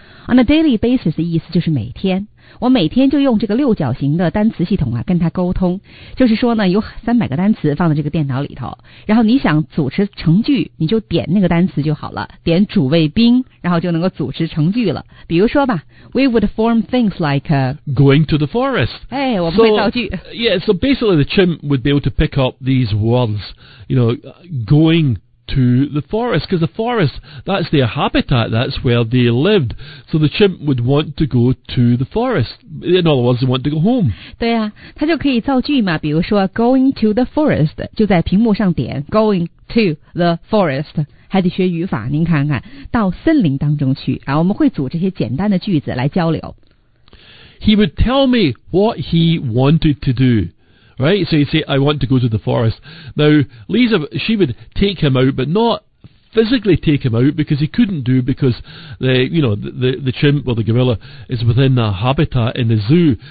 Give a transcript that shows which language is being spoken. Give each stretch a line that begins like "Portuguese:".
English: On a daily basis
Chinese: 的意思就是每天，我每天就用这个六角形的单词系统啊跟他沟通，就是说呢有300个单词放在这个电脑里头，然后你想组织成句，你就点那个单词就好了，点主谓宾，然后就能够组织成句了。比如说吧
English: ，We would form things like going to the forest.
Chinese: 哎，我们会造句。
English: So, yeah, so basically the chimp would be able to pick up these words, you know, going. To the forest, because the forest, that's their habitat, that's where they lived. So the chimp would want to go to the forest. In other words, they want to go home.
Chinese: 对啊，他就可以造句嘛，比如说
English: going to the forest,
Chinese: 就在屏幕上点 going to the forest. 还得学语法，您看看，到森林当中去，然后我们会组这些简单的句子来交流。
English: He would tell me what he wanted to do. Right, so you say, I want to go to the forest. Now, Lisa, she would take him out, but not physically take him out because he couldn't do because the, you know, the chimp or the gorilla is within a habitat in the zoo.